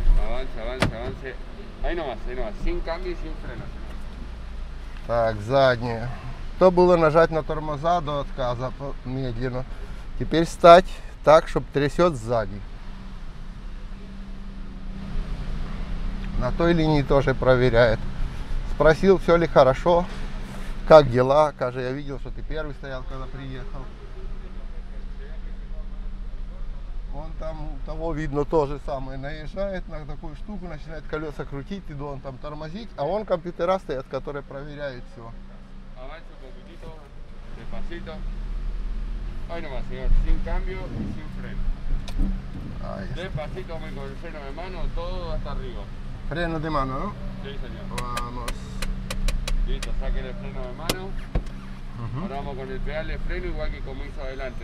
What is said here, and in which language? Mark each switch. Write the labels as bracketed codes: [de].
[es] Avance, avance, avance. Ahí nomás, sin cambio y sin freno. [ru] Так, заднее. То было нажать на тормоза до отказа, медленно. Теперь встать так, чтобы трясет сзади. На той линии тоже проверяет. Спросил, все ли хорошо, как дела. Кажется, я видел, что ты первый стоял, когда приехал. Вон там у того видно то же самое. Наезжает на такую штуку, начинает колеса крутить, ты должен там тормозить. А вон компьютера стоят, которые проверяют все. [es] Avance un poquitito, despacito. Ahí nomás, señor, sin cambio y sin freno. Despacito, con el freno de mano, todo hasta arriba. Freno de mano, ¿no? Sí, señor. Vamos. Listo, saque el freno de mano. Ahora vamos con el pedal de freno, igual que como hizo adelante.